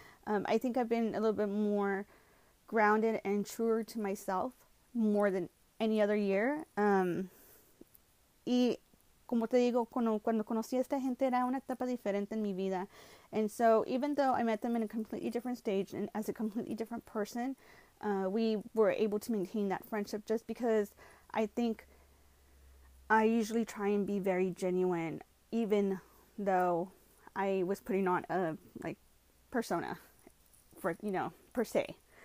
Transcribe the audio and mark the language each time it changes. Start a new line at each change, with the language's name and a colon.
English: I think I've been a little bit more grounded and truer to myself more than any other year.
Spanish: Y como te digo, cuando conocí a esta gente era una etapa diferente en mi vida.
English: And so even though I met them in a completely different stage and as a completely different person, we were able to maintain that friendship just because I think I usually try and be very genuine, even though I was putting on a, like, persona, for, you know, per se.